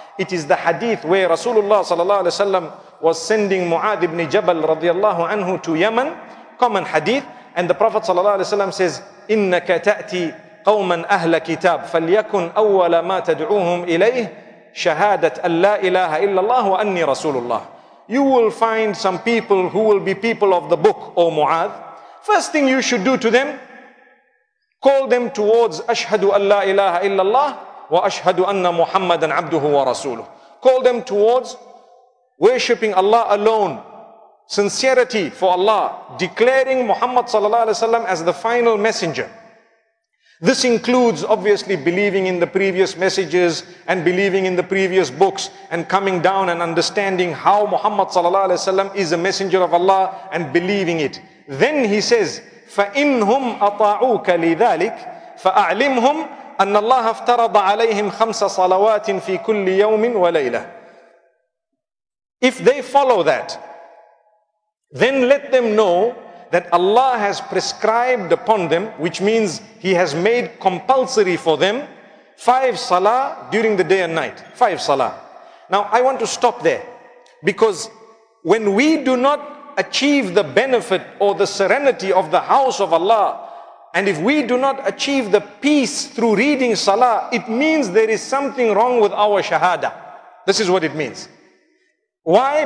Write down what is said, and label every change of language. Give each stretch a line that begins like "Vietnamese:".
English: It is the hadith where Rasulullah sallallahu alayhi wa sallam was sending Mu'adh ibn Jabal radiallahu anhu to Yemen, common hadith, and the Prophet sallallahu alayhi wa sallam says,
Arabic: إِنَّكَ تَأْتِي قَوْمًا أَهْلَ كِتَابٍ فَلْيَكُنْ أَوَّلَ مَا تَدْعُوهُمْ إِلَيْهِ شَهَادَةً أَنْ لَا إِلَهَ إِلَّا اللَّهُ وَأَنِّي رَسُولُ اللَّهِ.
English: You will find some people who will be people of the book, O Mu'adh. First thing you should do to them, call them towards
Arabic: أَشْهَدُ أَنْ لَا إِلَهَ إِلَّا اللَّهُ وَأَشْهَدُ أَنَّ مُحَمَّدًا عَبْدُهُ وَرَسُولُهُ.
English: Call them towards worshipping Allah alone. Sincerity for Allah, declaring Muhammad sallallahu alaihi wasallam as the final messenger. This includes obviously believing in the previous messages and believing in the previous books and coming down and understanding how Muhammad sallallahu alaihi wasallam is a messenger of Allah and believing it. Then he says,
Arabic: فَإِنْهُمْ أَطَاعُوكَ لِذَلِكَ فَأَعْلِمْهُمْ أَنَّ اللَّهَ افْتَرَضَ عَلَيْهِمْ خَمْسَ صَلَوَاتٍ فِي كُلِّ يَوْمٍ وَلَيْلَةٍ.
English: If they follow that, then let them know that Allah has prescribed upon them, which means He has made compulsory for them, 5 salah during the day and night. 5 salah. Now I want to stop there, because when we do not achieve the benefit or the serenity of the house of Allah, and if we do not achieve the peace through reading salah, it means there is something wrong with our shahada. This is what it means. Why?